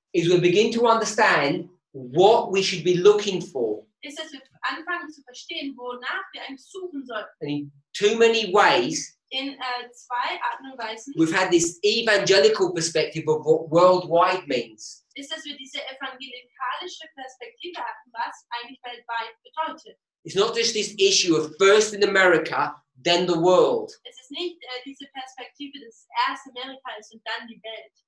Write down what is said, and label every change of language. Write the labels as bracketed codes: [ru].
[en] is we begin to understand what we should be looking for. [de] Ist, dass wir anfangen zu verstehen, wonach wir eigentlich suchen sollten. [en] And in too many ways, [de] in zwei Arten und Weisen, [en] we've had this evangelical perspective of what worldwide means. [de] Ist, dass wir diese evangelikalische Perspektive hatten, was eigentlich weltweit bedeutet. [en] It's not just this issue of first in America, then the world. [de] Es ist nicht diese Perspektive, dass erst Amerika ist und dann die Welt.